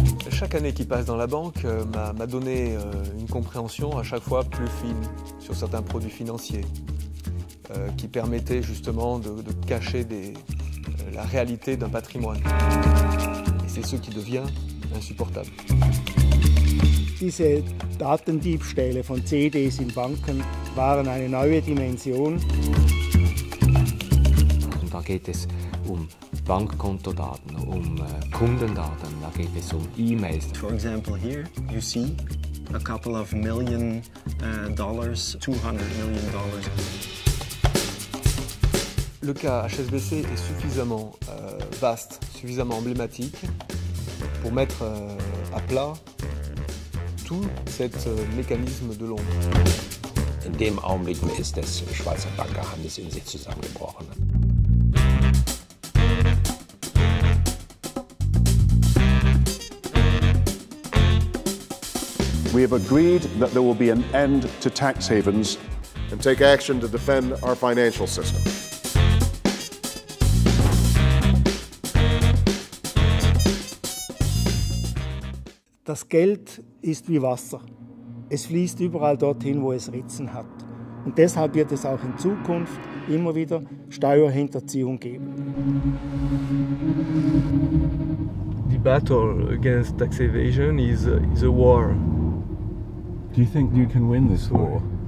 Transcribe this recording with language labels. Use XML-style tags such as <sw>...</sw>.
<fr>Chaque année qui passe dans la banque m'a donné une compréhension à chaque fois plus fine sur certains produits financiers qui permettaient justement de cacher la réalité d'un patrimoine. Et c'est ce qui devient insupportable.</fr> <de>Diese Datendiebstähle von CDs in Banken waren eine neue Dimension. Und da geht es um Bankkontodaten, um Kundendaten, da geht es um E-Mails.</de> <en>For example, here you see a couple of million dollars, 200 million dollars.</en> <fr>Le cas HSBC est suffisamment vaste, suffisamment emblématique pour mettre à plat tout cet mécanisme de l'ombre.</fr> <de>In dem Augenblick ist das Schweizer Bankgeheimnis in sich zusammengebrochen.</de> <en>We have agreed that there will be an end to tax havens and take action to defend our financial system.</en> <de>Das Geld ist wie Wasser. Es fließt überall dorthin, wo es Ritzen hat. Und deshalb wird es auch in Zukunft immer wieder Steuerhinterziehung geben.</de> <en>The battle against tax evasion is a war. Do you think you can win this war?</en>